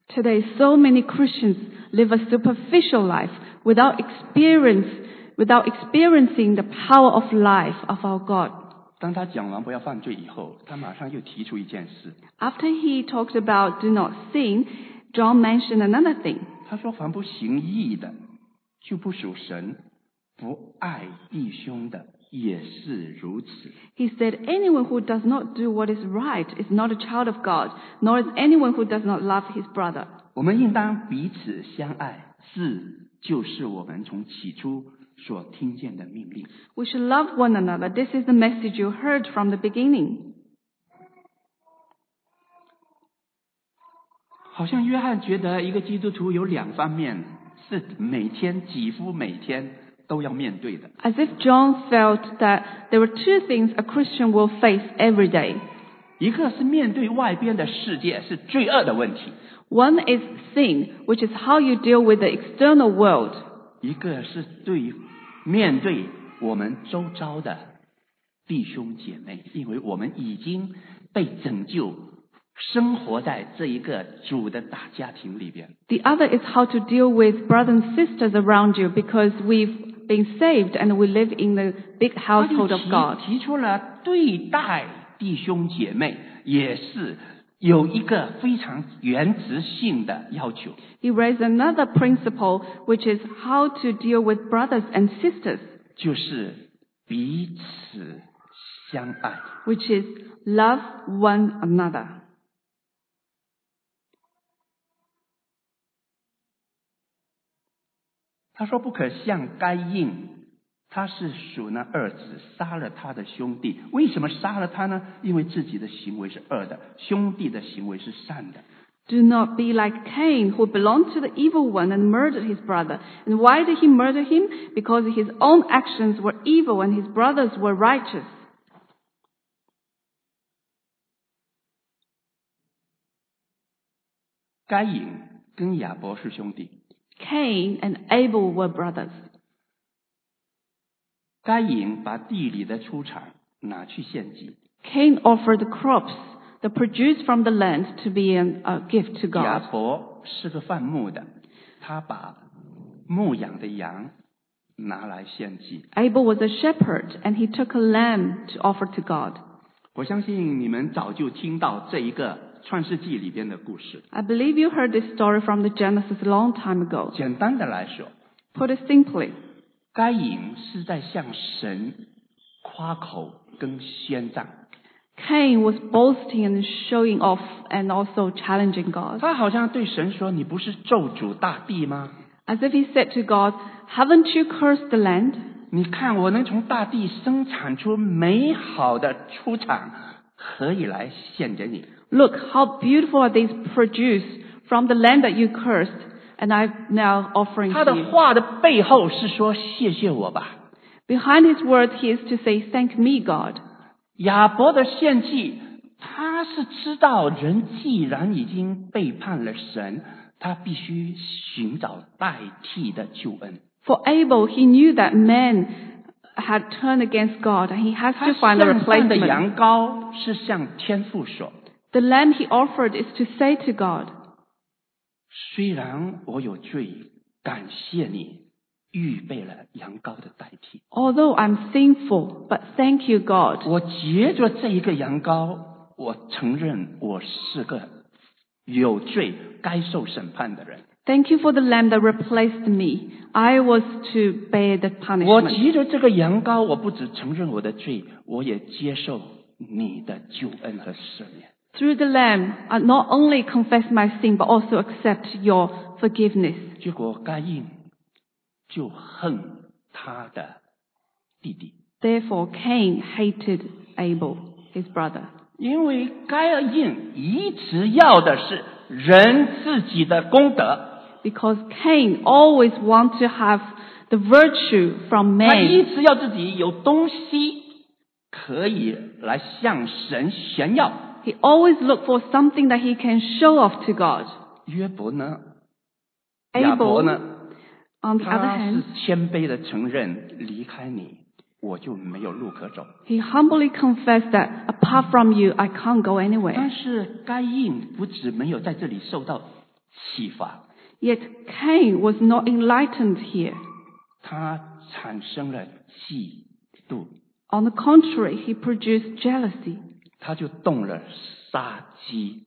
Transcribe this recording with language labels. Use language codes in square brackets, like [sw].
[en] Today, so many Christians live a superficial life without experiencing the power of life of our God. [zh] 当他讲完不要犯罪以后，他马上又提出一件事。 [en] After he talked about do not sin, John mentioned another thing. [zh] 他说凡不行义的，就不属神，不爱弟兄的。也是如此。 [en] He said, anyone who does not do what is right is not a child of God, nor is anyone who does not love his brother. [zh] 我们应当彼此相爱，是就是我们从起初所听见的命令。 [en] We should love one another. This is the message you heard from the beginning. [zh] 好像约翰觉得一个基督徒有两方面，是每天，几乎每天都要面对的。 [en] As if John felt that there were two things a Christian will face every day. [zh] 一个是面对外边的世界，是罪恶的问题。 [en] One is sin, which is how you deal with the external world. [zh] 一个是对面对我们周遭的弟兄姐妹，因为我们已经被拯救，生活在这一个主的大家庭里边。 [en] The other is how to deal with brothers and sisters around you, because we've been saved and we live in the big household of God. [zh] 提出了对待弟兄姐妹也是有一个非常原则性的要求。 [en] He raised another principle, which is how to deal with brothers and sisters. [zh] 就是彼此相爱。 [en] Which is love one another. [zh] 他说不可像该隐，他是属那恶子，杀了他的兄弟。为什么杀了他呢？因为自己的行为是恶的，兄弟的行为是善的。 [en] Do not be like Cain, who belonged to the evil one and murdered his brother. And why did he murder him? Because his own actions were evil and his brothers were righteous. [zh] 该隐跟亚伯是兄弟， [en] Cain and Abel were brothers. [zh] 该隐把地里的出产拿去献祭。 [en] Cain offered the crops, the produce from the land, to be a gift to God. [zh] 亚伯是个放牧的，他把牧养的羊拿来献祭。 [en] Abel was a shepherd, and he took a lamb to offer to God. [zh] 我相信你们早就听到这一个创世纪里边的故事。 [en] I believe you heard this story from the Genesis a long time ago. [zh] 简单的来说， [en] Put it simply, [zh] 该隐是在向神夸口跟宣战。 [en] Cain was boasting and showing off and also challenging God. [zh] 他好像对神说，你不是咒诅大地吗？ [en] As if he said to God, haven't you cursed the land? [zh] 你看我能从大地生产出美好的出产，何以来献给你？ [en] Look, how beautiful are these produce from the land that you cursed, and I'm now offering to you. [zh] 他的话的背后是说谢谢我吧。 [en] Behind his words, he is to say, thank me, God. [zh] 亚伯的献祭，他是知道人既然已经背叛了神，他必须寻找代替的救恩。 [en] For Abel, he knew that man had turned against God, and he has to find a replacement. [zh] 他献的羊羔是向天父说， [en] The lamb he offered is to say to God, [zh] 虽然我有罪，感谢你预备了羊羔的代替。 [en] Although I'm sinful, but thank you, God. [zh] 我藉着这一个羊羔，我承认我是个有罪，该受审判的人。 [en] Thank you for the lamb that replaced me. I was to bear the punishment. [zh] 我藉着这个羊羔，我不只承认我的罪，我也接受你的救恩和赦免。 [en] Through the lamb, I not only confess my sin, but also accept your forgiveness. [zh] 结果该隐就恨他的弟弟。 [en] Therefore, Cain hated Abel, his brother. [zh] 因为该隐一直要的是人自己的功德。 [en] Because Cain always want to have the virtue from man. [zh] 他一直要自己有东西可以来向神炫耀。 [en] He always looked for something that he can show off to God. [zh] 约伯呢？亚伯呢？ [en] On the other hand, [zh] 他是谦卑的承认，离开你，我就没有路可走。 [en] He humbly confessed that apart from you, I can't go anywhere. [zh] 但是该隐不只没有在这里受到启发。 [en] Yet Cain was not enlightened here. [zh] 他产生了嫉妒。 [en] On the contrary, he produced jealousy. [zh] 他就动了杀机。